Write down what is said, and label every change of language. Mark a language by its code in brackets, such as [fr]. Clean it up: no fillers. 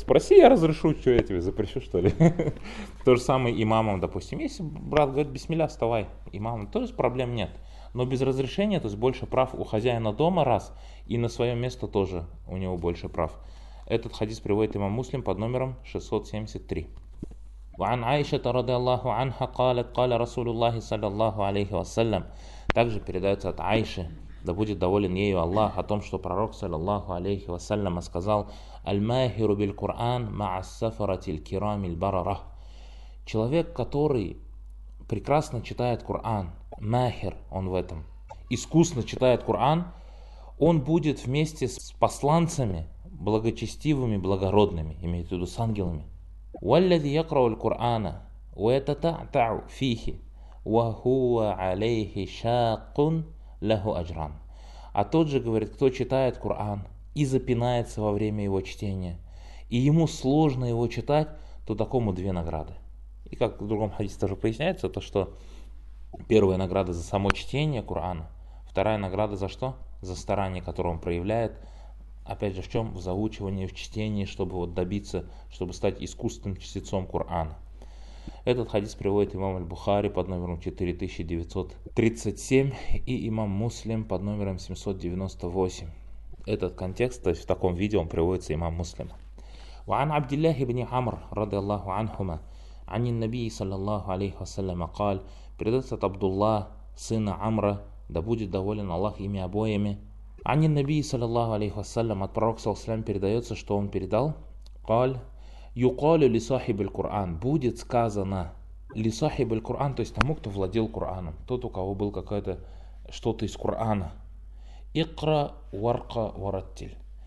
[ru] Спроси, я разрешу, что я тебе запрещу, что ли? То же самое имамам, допустим. Если брат говорит, бисмилля, вставай, имамам, то есть проблем нет. Но без разрешения, то есть больше прав у хозяина дома, раз, и на свое место тоже у него больше прав. Этот хадис приводит имам Муслим под номером 673. [ar] وعن عائشة رضي الله عنها قالت قال رسول الله صلى الله عليه وسلم. [ru] Также передается от Айши, да будет доволен ею Аллах, о том, что пророк صلى الله عليه وسلم сказал: [ar] الماهر بالقرآن مع السفرة الكرام البررة. [ru] Человек, который прекрасно читает Коран, махер он в этом, искусно читает Коран, он будет вместе с посланцами благочестивыми, благородными, имеется в виду с ангелами. [ar] والذي يقرأ القرآن ويتتعتع فيه وهو عليه شاق له أجران. [ru] А тот же говорит, кто читает Коран и запинается во время его чтения, и ему сложно его читать, то такому две награды. И как в другом хадисе тоже поясняется, то что первая награда за само чтение Корана, вторая награда за что? За старание, которое он проявляет. Опять же, в чем? В заучивании, в чтении, чтобы вот добиться, чтобы стать искусственным чтецом Корана. Этот хадис приводит имам Аль-Бухари под номером 4937 и имам Муслим под номером 798. Этот контекст, то есть в таком виде он приводится имам Муслим. [ar] وعن عبد الله بن عمر رضي الله عنهما عن النبي صلى الله عليه وسلم قال [ru] передается от Абдуллах, сына Амра, да будет доволен Аллах ими обоими. [ar] عن النبي صلى الله عليه وسلم [ru] от пророка саллаллаху алейхи вассалям передается, что он передал. [ar] قال يقال لصاحب القرآن. [ru] Будет сказано [ar] لصاحب القرآن, [ru] то есть тому, кто владел Кораном, тот, у кого был какое-то что-то из Корана. [ar] اقرأ ورقة ورتل.